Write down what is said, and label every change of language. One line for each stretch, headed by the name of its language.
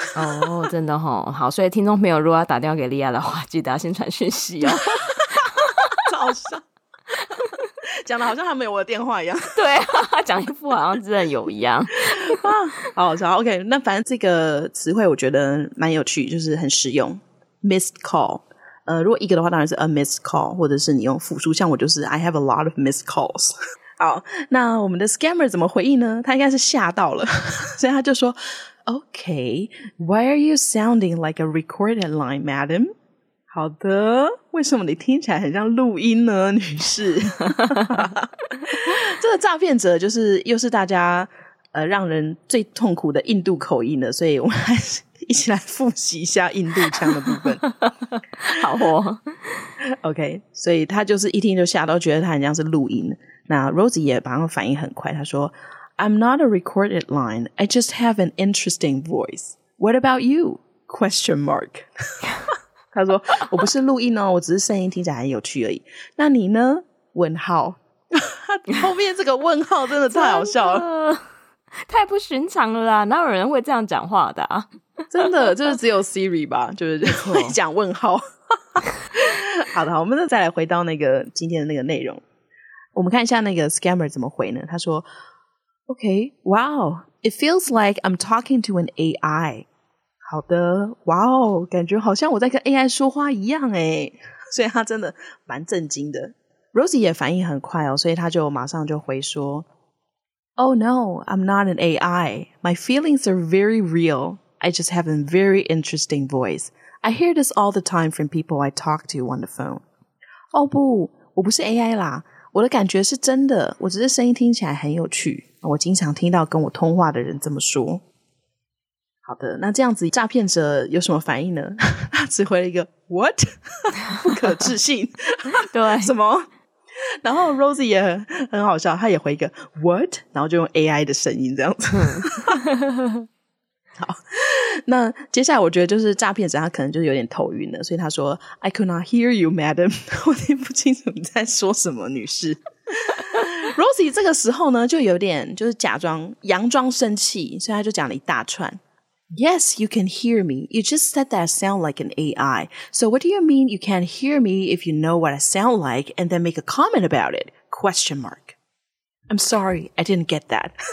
Chinese: 哦，真的齁。好，所以听众朋友如果要打电话给莉亚的话，记得要先传讯息哦。早上讲的好像他没有我的电话一样。对啊，讲一副好像真的有一样。好好笑。 OK， 那反正这个词汇我觉得蛮有趣，就是很实用。 Missed call， 如果一个的话当然是 a missed call， 或者是你用复数，像我就是
English: I have a lot of missed calls。
Chinese: 好，那我们的 scammer 怎么回应呢？他应该是吓到了。所以他就说
English: OK， Why are you sounding like a recorded line, madam？
Chinese: 好的，为什么你听起来很像录音呢，女士？这个诈骗者就是又是大家让人最痛苦的印度口音的，所以我们还是一起来复习一下印度腔的部分。好哦。 OK， 所以他就是一听就吓到，觉得他很像是录音。那 Rosie 也马上反应很快，他说
English: I'm not a recorded line, I just have an interesting voice. What about you? Question mark.
Chinese: 他说我不是录音哦，我只是声音听起来很有趣而已。那你呢？问号。后面这个问号真的太好笑了。太不寻常了啦，哪有人会这样讲话的啊。真的就是只有 Siri 吧，就是会讲问号。好的，好，我们再来回到那个今天的那个内容。我们看一下那个 scammer 怎么回呢，他说
English: OK， Wow， It feels like I'm talking to an AI。
Chinese: 好的，哇哦，感觉好像我在跟 AI 说话一样诶，所以他真的蛮震惊的。 Rosie 也反应很快哦，所以他就马上就回说
English: Oh no, I'm not an AI. My feelings are very real. I just have a very interesting voice. I hear this all the time from people I talk to on the phone.
Chinese: 哦不，我不是 AI 啦，我的感觉是真的，我只是声音听起来很有趣，我经常听到跟我通话的人这么说。好的，那这样子诈骗者有什么反应呢？他只回了一个 What？不可置信。对，什么？然后 Rosie 也很好笑，他也回一个 What？ 然后就用 AI 的声音这样子。好，那接下来我觉得就是诈骗者他可能就有点头晕了，所以他说
English: I could not hear you, madam.
Chinese: 我听不清楚你在说什么，女士。Rosie 这个时候呢就有点就是假装佯装生气，所以他就讲了一大串。
English: Yes, you can hear me. You just said that I sound like an AI. So what do you mean you can't hear me if you know what I sound like and then make a comment about it? Question mark. I'm sorry, I didn't get that.